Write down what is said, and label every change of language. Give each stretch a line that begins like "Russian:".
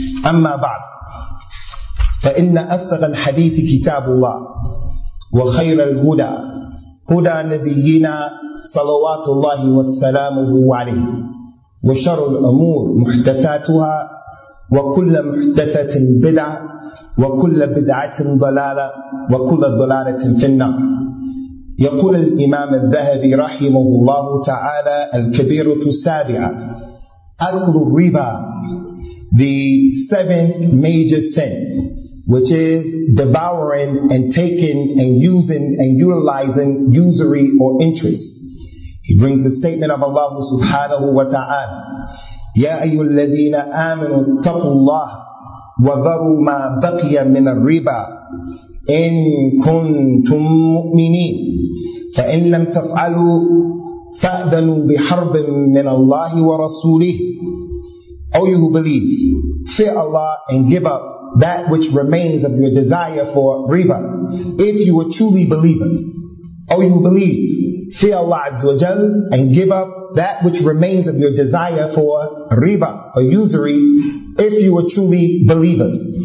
Arabic: أما بعد، فإن أصدق الحديث كتاب الله وخير الهدى هدى نبينا صلوات الله وسلامه عليه، وشر الأمور محدثاتها وكل محدثة بدعة وكل بدعة ضلالة وكل ضلالة في النار. يقول الإمام الذهبي رحمه الله تعالى الكبيرة السابعة أكل الربا،
English: the seventh major sin which is devouring and taking and using and utilizing usury or interest. He brings the statement of Allah
Arabic: سبحانه وتعالى يا أيها الذين آمنوا اتقوا الله وذروا ما بقي من الربا إن كنتم مؤمنين فإن لم تفعلوا فأذنوا بحرب من الله ورسوله.
English: O you who believe, fear Allah and give up that which remains of your desire for riba, if you are truly believers. O you who believe, fear Allah Azza wa Jal and give up that which remains of your desire for riba, for usury, if you are truly believers.